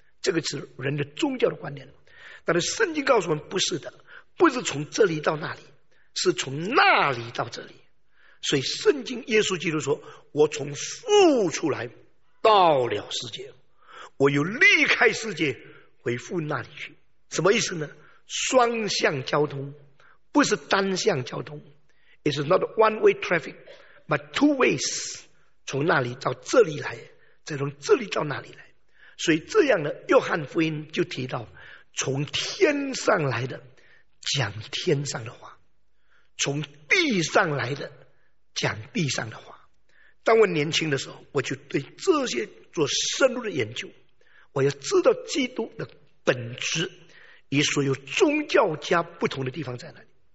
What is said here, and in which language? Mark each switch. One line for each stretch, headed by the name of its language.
Chinese: 这个是人的宗教的观念。但是圣经告诉我们，不是的，不是从这里到那里，是从那里到这里。所以圣经耶稣基督说，我从父出来到了世界，我又离开世界回复那里去。什么意思呢？双向交通，不是单向交通。
English: It's not one way traffic but two ways，
Chinese: 从那里到这里来，再从这里到那里来。所以这样呢，约翰福音就提到，从天上来的讲天上的话，从地上来的讲地上的话。当我年轻的时候，我就对这些做深入的研究，我要知道基督的本质与所有宗教家不同的地方在哪里。